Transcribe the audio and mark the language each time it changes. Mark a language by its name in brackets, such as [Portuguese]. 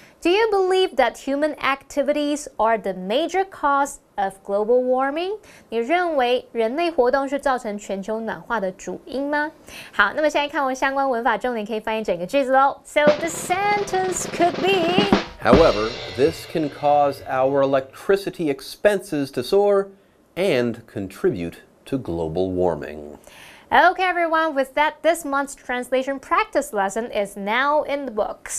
[English] Do you believe that human activities are the major cause of global warming? [Chinese] 你认为人类活动是造成全球暖化的主因吗？好，那么现在看完相关文法重点，可以翻译整个句子喽。 [English] So the sentence could be: However, this can cause our electricity expenses to soar and contribute to global warming. Okay, everyone, with that, this month's translation practice lesson is now in the books.